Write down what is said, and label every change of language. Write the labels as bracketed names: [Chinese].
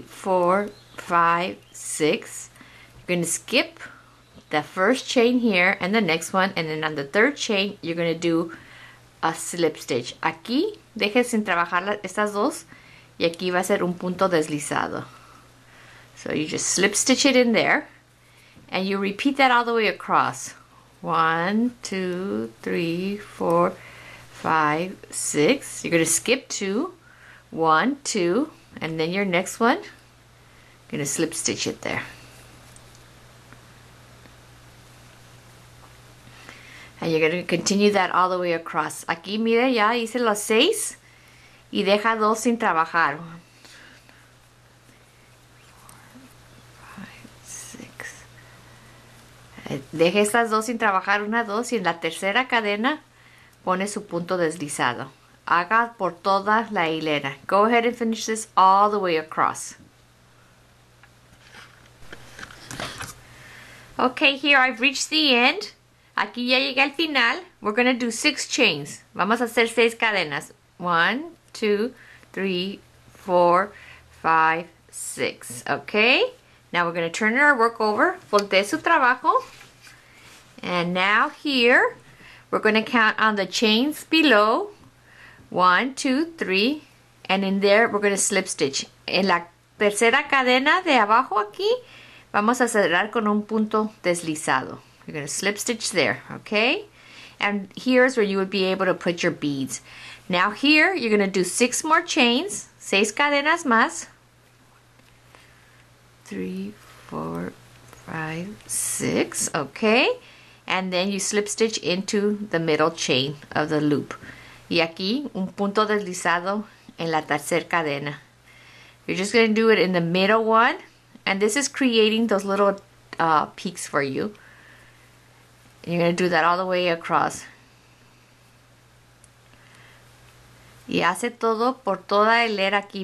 [English] 1, 2, 3, 4, 5, 6. You're gonna skip the first chain here, and the next one, and then on the third chain, you're gonna do a slip stitch. [Spanish] Aquí, dejen sin trabajar estas dos, y aquí va a ser un punto deslizado. [English] So you just slip stitch it in there, and you repeat that all the way across. 1, 2, 3, 4, 5, 6. You're gonna skip 2, 1, 2, and then your next one, you're gonna slip stitch it there. And you're gonna continue that all the way across. [Spanish] Aquí, mire, ya hice los 6 y deja 2 sin trabajar. 5, 6. Deja estas 2 sin trabajar, 1, 2, y en la tercera cadena pone su punto deslizado. Haga por toda la hilera. [English] Go ahead and finish this all the way across. Okay, here I've reached the end. [Spanish] Aquí ya llegué al final. [English] We're gonna do 6 chains. [Spanish] Vamos a hacer 6 cadenas. [English] 1, 2, 3, 4, 5, 6. Okay? Now we're gonna turn our work over. [Spanish] Voltee su trabajo. [English] And now here, we're gonna count on the chains below. 1, 2, 3. And in there, we're gonna slip stitch. [Spanish] En la tercera cadena de abajo aquí, vamos a cerrar con un punto deslizado. [English] You're gonna slip stitch there, okay? And here's where you would be able to put your beads. Now here, you're gonna do 6 more chains, [Spanish] 6 cadenas más. [English] 3, 4, 5, 6, okay? And then you slip stitch into the middle chain of the loop. [Spanish] Y aquí, un punto deslizado en la tercera cadena. [English] You're just gonna do it in the middle one. And this is creating those little peaks for you. And you're going to do that all the way across. [Spanish] Y hace todo por toda el era aquí.